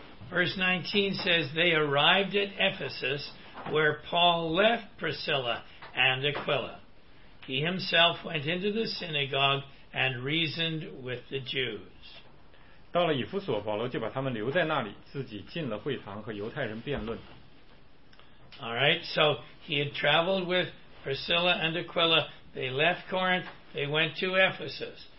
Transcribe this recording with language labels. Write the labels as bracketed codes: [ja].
[en] Verse 19 says, they arrived at Ephesus, where Paul left Priscilla and Aquila. He himself went into the synagogue and reasoned with the Jews. [zh] 到了以弗所，保罗就把他们留在那里，自己进了会堂和犹太人辩论。 [en] All right, so he had traveled with Priscilla and Aquila. They left Corinth. They went to Ephesus.